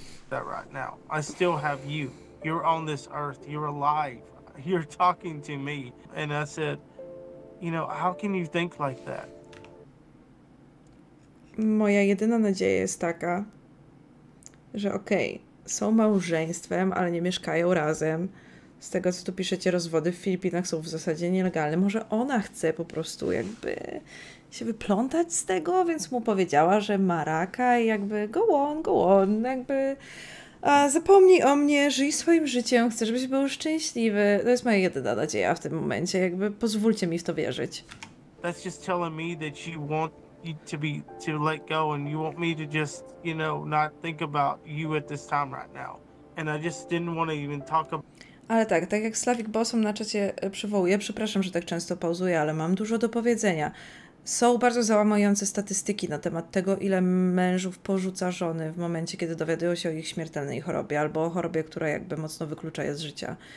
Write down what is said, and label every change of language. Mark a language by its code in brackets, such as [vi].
[en] That right now. I still have you. You're on this earth. You're alive. You're talking to me. And I said, you know, how can you think like that? [pl] Moja jedyna nadzieja jest taka, że okej, są małżeństwem, ale nie mieszkają razem. Z tego, co tu piszecie, rozwody w Filipinach są w zasadzie nielegalne. Może ona chce po prostu jakby się wyplątać z tego, więc mu powiedziała, że ma raka i jakby go on, jakby zapomnij o mnie, żyj swoim życiem, chcę, żebyś był szczęśliwy. To jest moja jedyna nadzieja w tym momencie, jakby pozwólcie mi w to wierzyć. [en] That's just telling me that you want to let go and you want me to just, you know, not think about you at this time right now. And I just didn't want to even talk about. [pl] Ale tak jak Slavik Bosom na czacie przywołuje, przepraszam, że tak często pauzuję, ale mam dużo do powiedzenia. Są bardzo załamujące statystyki na temat tego, ile mężów porzuca żony w momencie, kiedy dowiadują się o ich śmiertelnej chorobie albo o chorobie, która jakby mocno wyklucza je z życia.